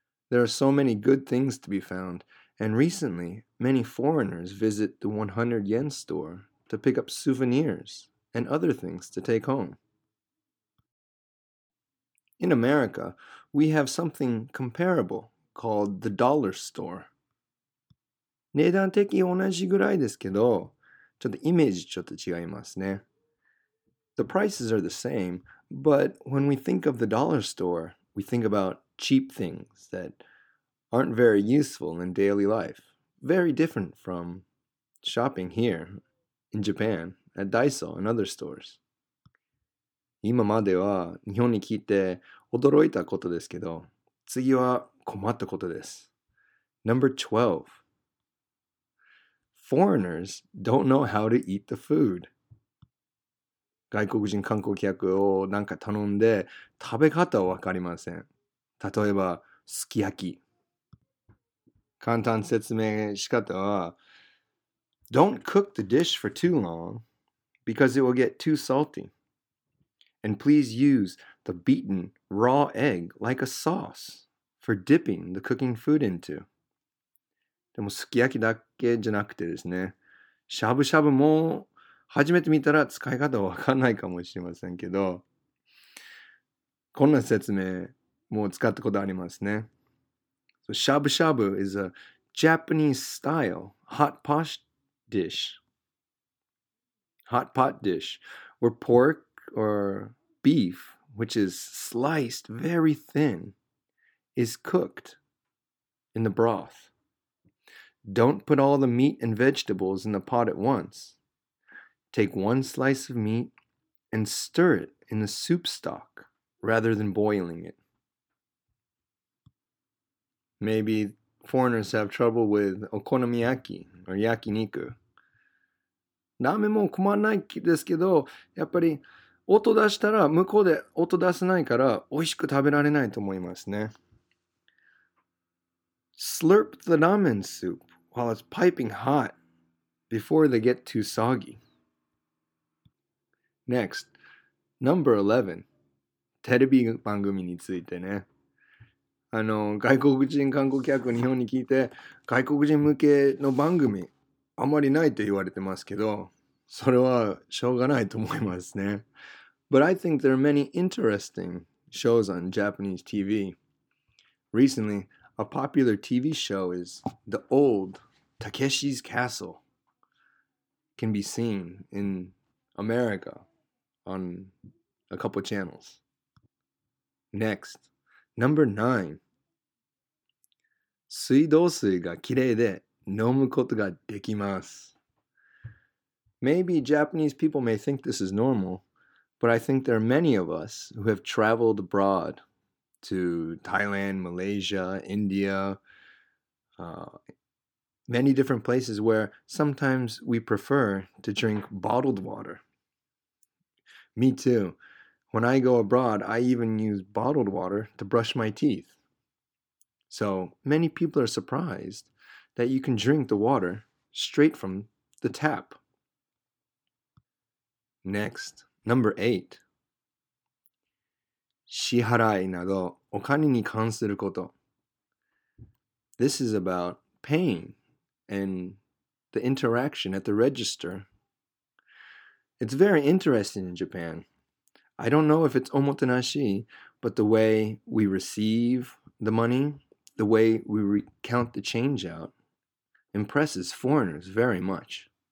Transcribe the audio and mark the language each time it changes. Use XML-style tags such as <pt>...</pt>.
<en>There are so many good things to be found. And recently, many foreigners visit the 100 yen store to pick up souvenirs and other things to take home. In America, we have something comparable called the dollar store.</en> <ja>値段的同じぐらいですけど、ちょっとイメージちょっと違いますね。</ja> <en>The prices are the same, but when we think of the dollar store, we think about cheap things thataren't very useful in daily life. Very different from shopping here in Japan at Daiso and other stores.</en> <ja>今までは日本に来て驚いたことですけど、次は困ったことです。</ja> <en>Number 12. Foreigners don't know how to eat the food.</en> <ja>外国人観光客をなんか頼んで食べ方はわかりません。例えば、すき焼き。簡単説明仕方は、</ja> <en>Don't cook the dish for too long, because it will get too salty. And please use the beaten raw egg like a sauce for dipping the cooking food into.</en> <ja>でもすき焼きだけじゃなくてですね、しゃぶしゃぶも初めて見たら使い方わかんないかもしれませんけど、こんな説明も使ったことありますね。</ja> <en>So shabu shabu is a Japanese-style hot pot dish, where pork or beef, which is sliced very thin, is cooked in the broth. Don't put all the meat and vegetables in the pot at once. Take one slice of meat and stir it in the soup stock rather than boiling it. Maybe foreigners have trouble with okonomiyaki or yakiniku.</en> <ja>ラーメンも困らないですけど、やっぱり音出したら向こうで音出せないから美味しく食べられないと思いますね。</ja> <en>Slurp the ramen soup while it's piping hot before they get too soggy. Next, number 11.</en> <ja>テレビ番組についてね。あの、外国人観光客を日本に聞いて、外国人向けの番組あまりないと言われてますけど、それはしょうがないと思いますね。</ja> <en>But I think there are many interesting shows on Japanese TV. Recently, a popular TV show is The Old Takeshi's Castle. Can be seen in America on a couple channels. Next, number 9.</en> <ja>水道水がきれいで飲むことができます。</ja> <en>Maybe Japanese people may think this is normal, but I think there are many of us who have traveled abroad to Thailand, Malaysia, India, many different places where sometimes we prefer to drink bottled water. Me too. When I go abroad, I even use bottled water to brush my teeth. So many people are surprised that you can drink the water straight from the tap. Next, number 8.</en> <ja>支払いなどお金に関すること。</ja> <en>This is about paying and the interaction at the register. It's very interesting in Japan. I don't know if it's omotenashi, but the way we receive the money, the way we count the change out, impresses foreigners very much.</en>